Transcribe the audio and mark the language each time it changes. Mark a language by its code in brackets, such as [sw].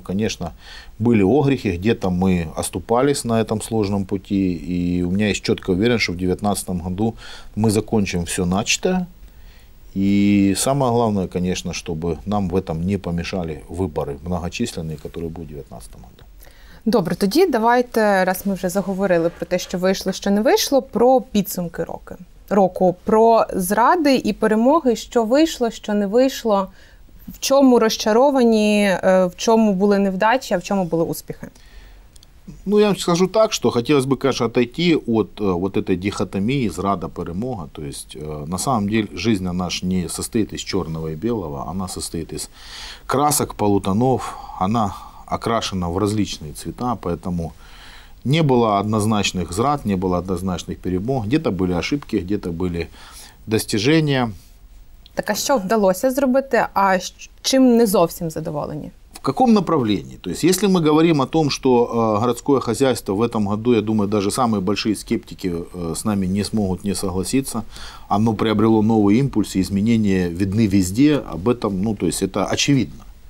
[ru] Конечно, были огрехи, где-то мы оступались на этом сложном пути. И у меня есть четкая уверенность, что в 2019 году мы закончим все начатое. И самое главное, конечно, чтобы нам в этом не помешали выборы многочисленные, которые будут в 2019 году. [uk] Добре, тоді давайте, раз ми вже заговорили про те, що вийшло, що не вийшло, про підсумки року. Року про зради і перемоги, що вийшло, що не вийшло, в чому розчаровані, в чому були невдачі, а в чому були успіхи? Ну, я вам скажу так, що хотілося б, звісно, відійти від цієї дихотомії зрада-перемога. Тобто, [ru] на самом деле, [uk] життя наша не состоїть із чорного і білого, вона состоїть із красок, полутонов, вона окрашена в різні цвіта, тому [ru] не было однозначных зрад, не было однозначных перемог. Где-то были ошибки, где-то были достижения. Так а что удалось сделать, а чем не совсем задоволены? В каком направлении? То есть, если мы говорим о том, что городское хозяйство в этом году, я думаю, даже самые большие скептики с нами не смогут не согласиться, оно приобрело новый импульс, изменения видны везде, об этом, ну, то есть, это очевидно.